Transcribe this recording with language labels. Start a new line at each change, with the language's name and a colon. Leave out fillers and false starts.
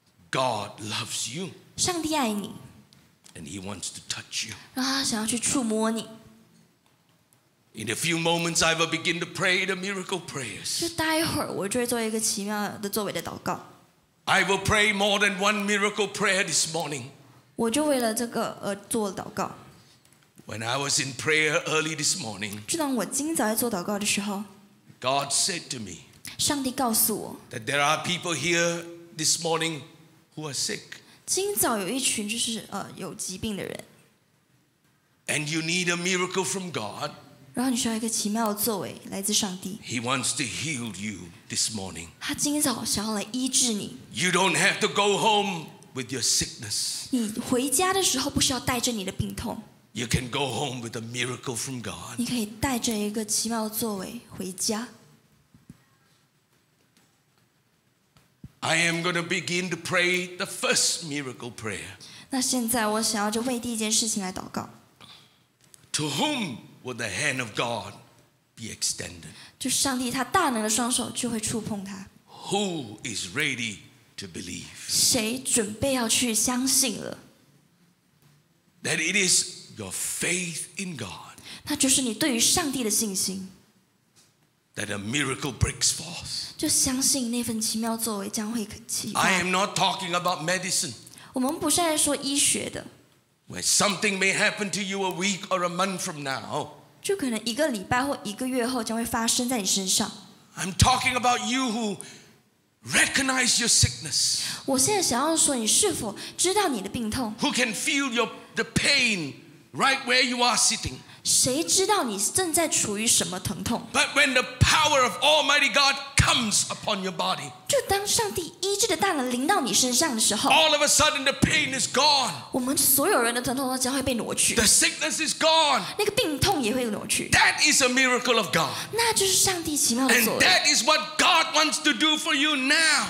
English: God loves you,
Chinese: 上帝爱你。
English: And he wants to touch you,
Chinese: 让他想要去触摸你。
English: In a few moments, I will begin to pray the miracle prayers.
Chinese: 就待会儿，我就会做一个奇妙的作为的祷告。
English: I will pray more than one miracle prayer this morning.
Chinese: 我就为了这个而做祷告。
English: When I was in prayer early this morning,
Chinese: 就当我今早在做祷告的时候，
English: God said to me,
Chinese: 上帝告诉我，
English: that there are people here this morning who are sick.
Chinese: 今早有一群就是有疾病的人。
English: And you need a miracle from God.
Chinese: 然后你需要一个奇妙的作为来自上帝。
English: He wants to heal you. This morning,
Chinese: 他今早想要来医治你。
English: You don't have to go home with your sickness.
Chinese: 你回家的时候不需要带着你的病痛。
English: You can go home with a miracle from God.
Chinese: 你可以带着一个奇妙的作为回家。
English: I am going to begin to pray the first miracle prayer.
Chinese: 那现在我想要就为第一件事情来祷告。
English: To whom will the hand of God be extended.
Chinese: 就上帝他大能的双手就会触碰他。
English: Who is ready to believe?
Chinese: 谁准备要去相信了？
English: That it is your faith in God.
Chinese: 那就是你对于上帝的信心。
English: That a miracle breaks forth.
Chinese: 就相信那份奇妙作为将会启发。
English: I am not talking about medicine.
Chinese: 我们不是在说医学的。
English: When something may happen to you a week or a month from now.
Chinese: 就可能一个礼拜或一个月后将会发生在你身上。
English: I'm talking about you who recognize your sickness.
Chinese: 我现在想要说你是否知道你的病痛。
English: Who can feel the pain right where you are sitting.
Chinese: 谁知道你正在处于什么疼痛？
English: But when the power of Almighty God comes upon your body,
Chinese: 就当上帝医治的大能临到你身上的时候，
English: All of a sudden the pain is gone.
Chinese: 我们所有人的疼痛都将会被挪去。
English: The sickness is gone.
Chinese: 那个病痛也会挪去。
English: That is a miracle of God.
Chinese: 那就是上帝奇妙的作为。
English: And that is what God wants to do for you now.